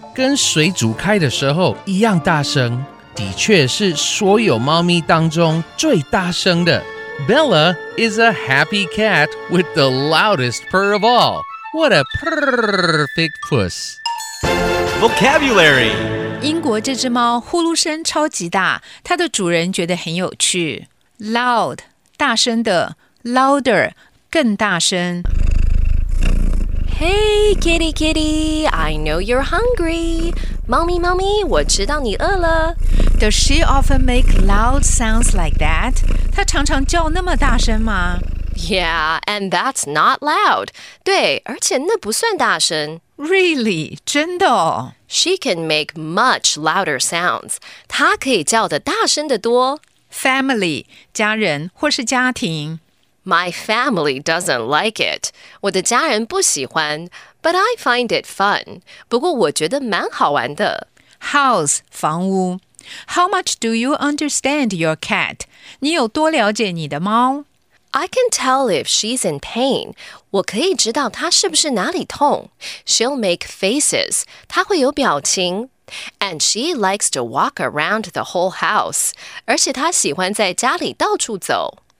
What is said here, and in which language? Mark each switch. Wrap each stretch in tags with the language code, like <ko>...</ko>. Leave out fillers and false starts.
<zh>跟水煮开的时候一样大声，的确是所有猫咪当中最大声的。</zh> <en>Bella is a happy cat with the loudest purr of all. What a purr-fect puss! Vocabulary.</en> <zh>英国这只猫呼噜声超级大，它的主人觉得很有趣。 Loud， 大声的 ；louder， 更大声。</zh> <en>Hey, kitty, kitty, I know you're hungry.</en> <zh>猫咪猫咪，我知道你饿了。</zh> <en>Does she often make loud sounds like that?</en> <zh>她常常叫那么大声吗？</zh> <en>Yeah, and that's not loud.</en> <zh>对，而且那不算大声。</zh> <en>Really?</en> <zh>真的哦。</zh> <en>She can make much louder sounds.</en> <zh>她可以叫得大声得多。 Family, 家人或是家庭。</zh> <en>My family doesn't like it.</en> <zh>我的家人不喜欢</zh> <en>but I find it fun.</en> <zh>不过我觉得蛮好玩的。</zh> <en>House, 房屋。How much do you understand your cat?</en> <zh>你有多了解你的猫？</zh> <en>I can tell if she's in pain.</en> <zh>我可以知道她是不是哪里痛。</zh> <en>She'll make faces.</en> <zh>她会有表情。</zh> <en>And she likes to walk around the whole house.</en> <zh>而且她喜欢在家里到处走。</zh>